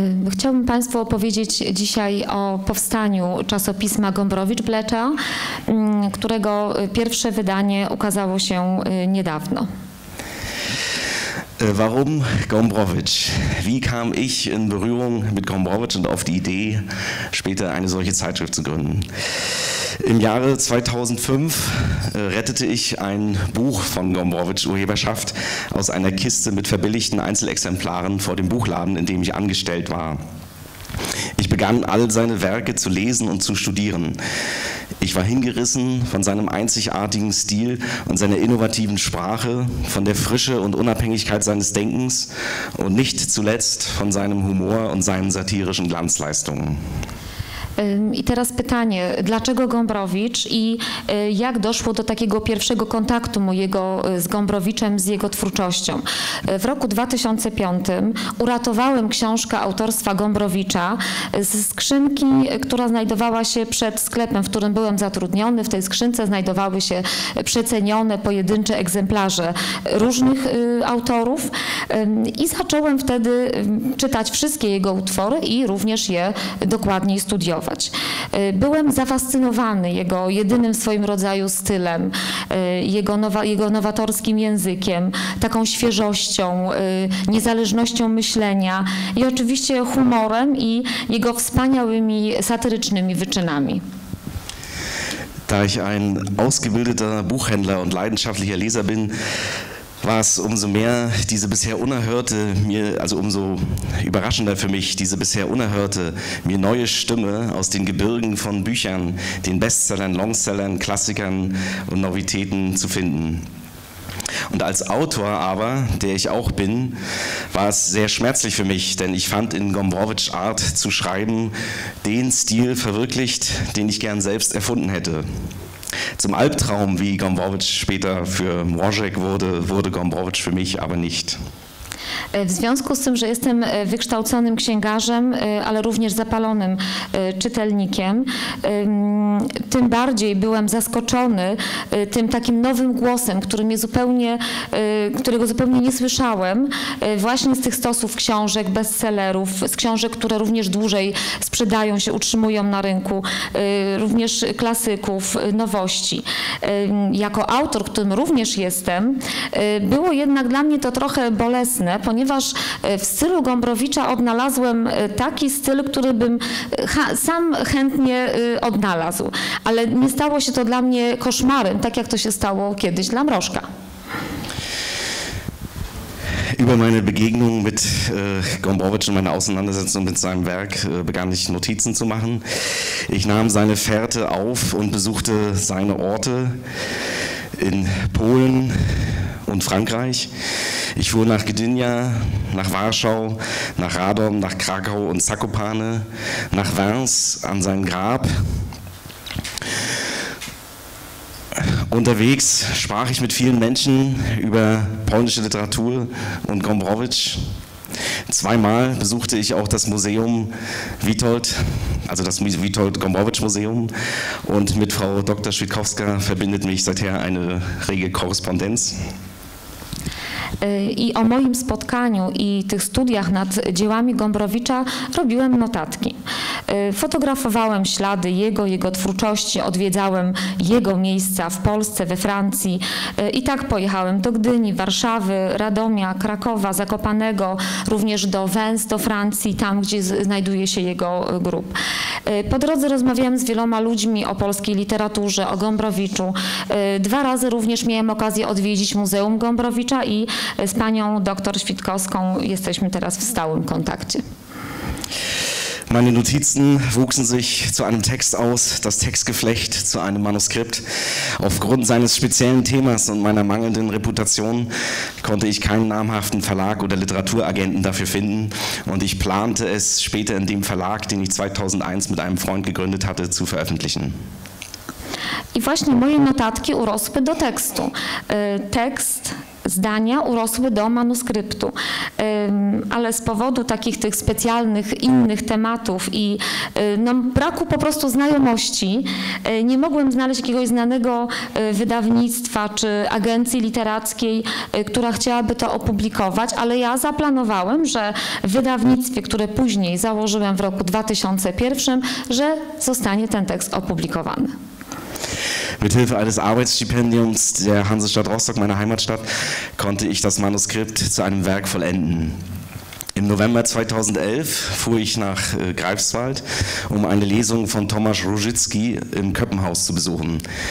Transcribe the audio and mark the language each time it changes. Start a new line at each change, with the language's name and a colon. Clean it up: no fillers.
Polish: Chciałbym Państwu opowiedzieć dzisiaj o powstaniu czasopisma Gombrowicz-Blätter, którego pierwsze wydanie ukazało się niedawno.
German: Warum Gombrowicz? Wie kam ich in Berührung mit Gombrowicz und auf die Idee, später eine solche Zeitschrift zu gründen? Im Jahre 2005 rettete ich ein Buch von Gombrowicz' Urheberschaft aus einer Kiste mit verbilligten Einzelexemplaren vor dem Buchladen, in dem ich angestellt war. Ich begann, all seine Werke zu lesen und zu studieren. Ich war hingerissen von seinem einzigartigen Stil und seiner innovativen Sprache, von der Frische und Unabhängigkeit seines Denkens und nicht zuletzt von seinem Humor und seinen satirischen Glanzleistungen.
Polish: I teraz pytanie, dlaczego Gombrowicz i jak doszło do takiego pierwszego kontaktu mojego z Gombrowiczem, z jego twórczością? W roku 2005 uratowałem książkę autorstwa Gombrowicza ze skrzynki, która znajdowała się przed sklepem, w którym byłem zatrudniony. W tej skrzynce znajdowały się przecenione pojedyncze egzemplarze różnych autorów i zacząłem wtedy czytać wszystkie jego utwory i również je dokładniej studiować. Byłem zafascynowany jego jedynym w swoim rodzaju stylem, jego nowatorskim językiem, taką świeżością, niezależnością myślenia i oczywiście humorem i jego wspaniałymi satyrycznymi wyczynami.
German: Da ich ein ausgebildeter Buchhändler und leidenschaftlicher Leser bin, war es umso mehr diese bisher unerhörte, mir also umso überraschender für mich, diese bisher unerhörte, mir neue Stimme aus den Gebirgen von Büchern, den Bestsellern, Longsellern, Klassikern und Novitäten zu finden. Und als Autor aber, der ich auch bin, war es sehr schmerzlich für mich, denn ich fand in Gombrowicz' Art zu schreiben den Stil verwirklicht, den ich gern selbst erfunden hätte. Zum Albtraum, wie Gombrowicz später für Mrozek wurde Gombrowicz für mich aber nicht.
Polish: W związku z tym, że jestem wykształconym księgarzem, ale również zapalonym czytelnikiem, tym bardziej byłem zaskoczony tym takim nowym głosem, który mnie zupełnie, którego zupełnie nie słyszałem, właśnie z tych stosów książek, bestsellerów, z książek, które również dłużej sprzedają się, utrzymują na rynku, również klasyków, nowości. Jako autor, którym również jestem, było jednak dla mnie to trochę bolesne, ponieważ w stylu Gombrowicza odnalazłem taki styl, który bym sam chętnie odnalazł. Ale nie stało się to dla mnie koszmarem, tak jak to się stało kiedyś dla Mrożka.
German: Über meine Begegnung mit Gombrowicz und meine Auseinandersetzung mit seinem Werk begann ich Notizen zu machen. Ich nahm seine Fährte auf und besuchte seine Orte in Polen und Frankreich. Ich fuhr nach Gdynia, nach Warschau, nach Radom, nach Krakau und Zakopane, nach Worms an sein Grab. Unterwegs sprach ich mit vielen Menschen über polnische Literatur und Gombrowicz. Zweimal besuchte ich auch das Museum Witold, also das Witold-Gombrowicz-Museum. Und mit Frau Dr. Świdkowska verbindet mich seither eine rege Korrespondenz.
Polish: I o moim spotkaniu i tych studiach nad dziełami Gombrowicza robiłem notatki. Fotografowałem ślady jego, jego twórczości, odwiedzałem jego miejsca w Polsce, we Francji i tak pojechałem do Gdyni, Warszawy, Radomia, Krakowa, Zakopanego, również do Węs, do Francji, tam gdzie znajduje się jego grób. Po drodze rozmawiałem z wieloma ludźmi o polskiej literaturze, o Gombrowiczu. Dwa razy również miałem okazję odwiedzić Muzeum Gombrowicza i z panią dr Świdkowską jesteśmy teraz w stałym kontakcie.
German: Meine Notizen wuchsen sich zu einem Text aus, das Textgeflecht zu einem Manuskript. Aufgrund seines speziellen Themas und meiner mangelnden Reputation konnte ich keinen namhaften Verlag oder Literaturagenten dafür finden. Und ich plante es später in dem Verlag, den ich 2001 mit einem Freund gegründet hatte, zu veröffentlichen.
Polish: I właśnie moje notatki urosły do tekstu. Tekst, zdania urosły do manuskryptu, ale z powodu takich tych specjalnych innych tematów i no, braku po prostu znajomości nie mogłem znaleźć jakiegoś znanego wydawnictwa czy agencji literackiej, która chciałaby to opublikować, ale ja zaplanowałem, że w wydawnictwie, które później założyłem w roku 2001, że zostanie ten tekst opublikowany.
German: Mithilfe eines Arbeitsstipendiums der Hansestadt Rostock, meiner Heimatstadt, konnte ich das Manuskript zu einem Werk vollenden. Im November 2011 fuhr ich nach Greifswald, um eine Lesung von Tomasz Różycki im Köppenhaus zu besuchen.